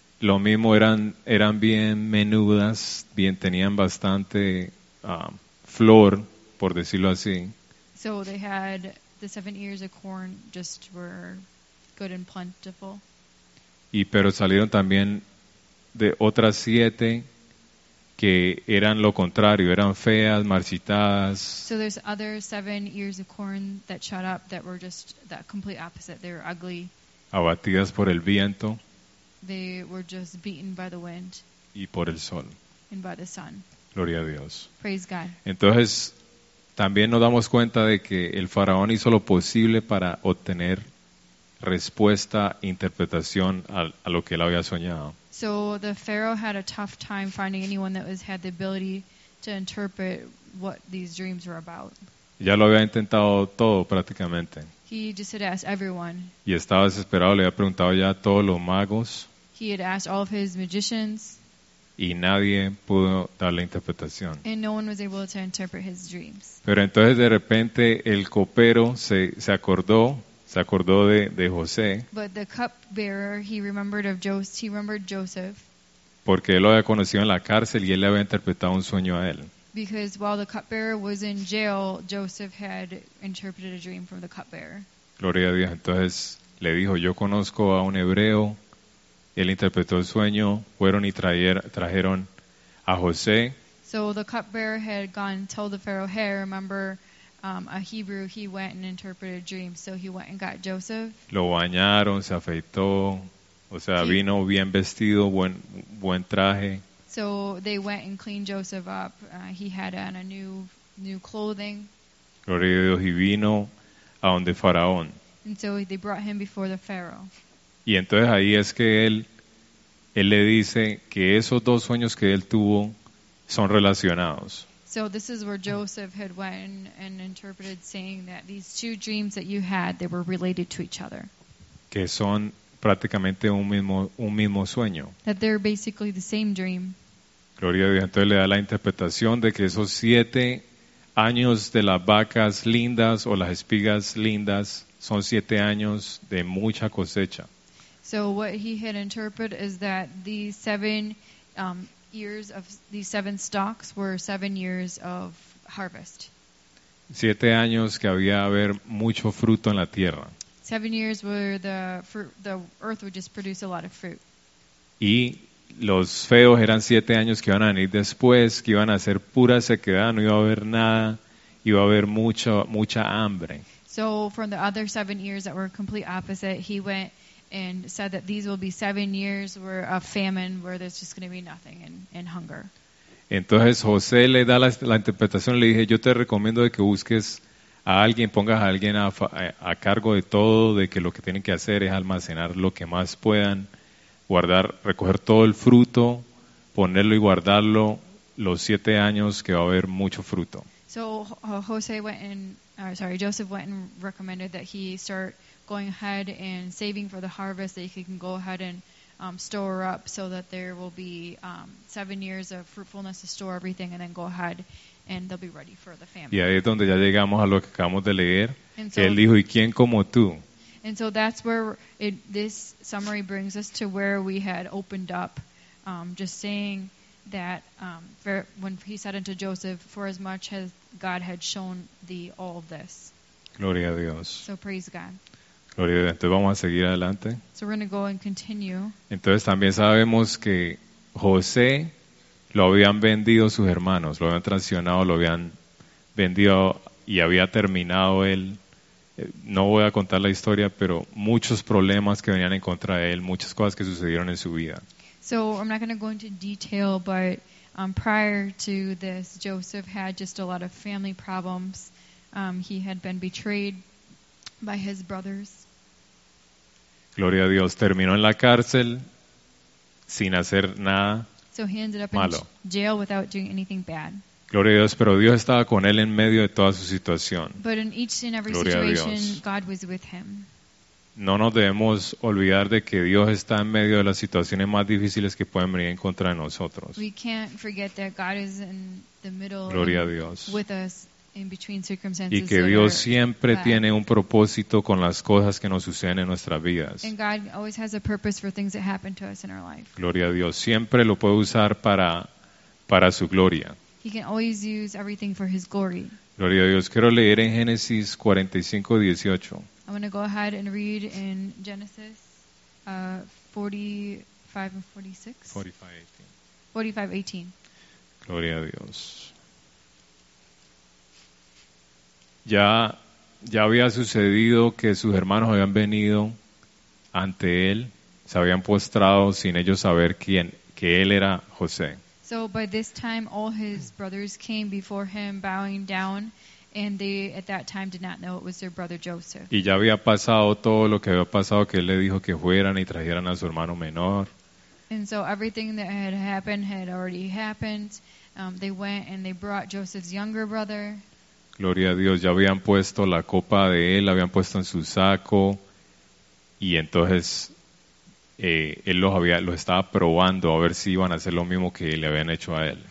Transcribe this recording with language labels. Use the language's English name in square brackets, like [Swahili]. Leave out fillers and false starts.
[Spanish] Lo mismo eran bien menudas, bien tenían bastante flor, por decirlo así. [English] So they had the seven ears of corn just were good and plentiful. [Spanish] Pero salieron también de otras siete que eran lo contrario, eran feas, marchitadas. [English] So there's other seven ears of corn that shot up that were just that complete opposite. They were ugly. [Spanish] Abatidas por el viento. [English] They were just beaten by the wind. [Spanish] Y por el sol. [English] And by the sun. [Spanish] Gloria a Dios. [English] Praise God. [Spanish] Entonces, también nos damos cuenta de que el faraón hizo lo posible para obtener respuesta, interpretación a lo que él había soñado. [English] So the Pharaoh had a tough time finding anyone that was had the ability to interpret what these dreams were about. [Spanish] Ya lo había intentado todo prácticamente. [English] He just had asked everyone. [Spanish] Y estaba desesperado, le había preguntado ya a todos los magos. [English] He had asked all of his magicians. [Spanish] Y nadie pudo darle interpretación. [English] And no one was able to interpret his dreams. [Spanish] Pero entonces de repente el copero se acordó de José. [English] But the cupbearer, he remembered Joseph. [Spanish] Porque él lo había conocido en la cárcel y él le había interpretado un sueño a él. [English] Because while the cupbearer was in jail, Joseph had interpreted a dream from the cupbearer. [Spanish] Gloria a Dios. Entonces le dijo, yo conozco a un hebreo. Él interpretó el sueño. Fueron y trajeron a José. [English] So the cupbearer had gone and told the Pharaoh, hey, remember a Hebrew, he went and interpreted a dream. So he went and got Joseph. [Spanish] Lo bañaron, se afeitó. O sea, vino bien vestido, buen traje. [English] So they went and cleaned Joseph up. He had on a new clothing. [Spanish] Gloria a Dios, y vino a donde Faraón. [English] And so they brought him before the Pharaoh. [Spanish] Y entonces ahí es que él le dice que esos dos sueños que él tuvo son relacionados. [English] So this is where Joseph had went and interpreted saying that these two dreams that you had, they were related to each other. [Spanish] Que son prácticamente un mismo sueño. [English] That they're basically the same dream. [Spanish] Gloria a Dios. Entonces le da la interpretación de que esos 7 años de las vacas lindas o las espigas lindas son 7 años de mucha cosecha. [English] So what he had interpreted is that these 7 years of these 7 stalks were 7 years of harvest. [Spanish] 7 años que había haber mucho fruto en la tierra. [English] 7 years where the earth would just produce a lot of fruit. [Spanish] Y los feos eran 7 años que iban a venir después, que iban a ser pura sequedad, no iba a haber nada, iba a haber mucha hambre. [English] So from the other 7 years that were complete opposite, he went and said that these will be 7 years where a famine, where there's just going to be nothing and hunger. [Spanish] Entonces José le da la interpretación, le dije, yo te recomiendo de que busques a alguien, pongas a alguien a cargo de todo, de que lo que tienen que hacer es almacenar lo que más puedan, guardar, recoger todo el fruto, ponerlo y guardarlo los 7 años que va a haber mucho fruto. [English] So Joseph went and recommended that he start going ahead and saving for the harvest, that he can go ahead and store up so that there will be 7 years of fruitfulness to store everything and then go ahead and they'll be ready for the famine. [Spanish] Y ahí es donde ya llegamos a lo que acabamos de leer. [English] And so, [Spanish] él dijo, ¿y quién como tú? [English] And so that's where this summary brings us to where we had opened up, just saying that when he said unto Joseph, for as much as God had shown thee all of this. [Spanish] Gloria a Dios. [English] So praise God. [Spanish] Gloria a Dios. Entonces vamos a seguir adelante. [English] So we're going to go and continue. [Spanish] Entonces también sabemos que José lo habían vendido sus hermanos, lo habían traicionado, lo habían vendido y había terminado él. No voy a contar la historia, pero muchos problemas que venían en contra de él, muchas cosas que sucedieron en su vida. [English] So I'm not going to go into detail, but prior to this, Joseph had just a lot of family problems. He had been betrayed by his brothers. [Spanish] Gloria a Dios. Terminó en la cárcel sin hacer nada malo. [English] So he ended up [Spanish] malo. [English] In jail without doing anything bad. [Spanish] Gloria a Dios. Pero Dios estaba con él en medio de toda su situación. [English] But in each and every [Spanish] Gloria [English] situation, God was with him. [Spanish] No nos debemos olvidar de que Dios está en medio de las situaciones más difíciles que pueden venir en contra de nosotros. [English] We can't forget that God is in the middle. [Spanish] Gloria a Dios. [English] With us. In between circumstances [Spanish] y que Dios siempre [English] bad. [Spanish] Tiene un propósito con las cosas que nos suceden en nuestras vidas. [English] And God always has a purpose for things that happen to us in our life. [Spanish] Gloria a Dios, siempre lo puede usar para su gloria. [English] He can always use everything for his glory. [Spanish] Gloria a Dios, quiero leer en Génesis 45:18. [English] I'm going to go ahead and read in Genesis 45:18. [Spanish] Gloria a Dios. Ya había sucedido que sus hermanos habían venido ante él, se habían postrado sin ellos saber que él era José. [English] So by this time all his brothers came before him bowing down And they, at that time, did not know it was their brother Joseph. [Spanish] Y ya había pasado todo lo que había pasado, que él le dijo que fueran y trajeran a su hermano menor. [English] And so everything that had happened had already happened. They went and they brought Joseph's younger brother. [Spanish] Gloria a Dios, ya habían puesto la copa de él, la habían puesto en su saco. Y entonces él los estaba probando a ver si iban a hacer lo mismo que le habían hecho a él.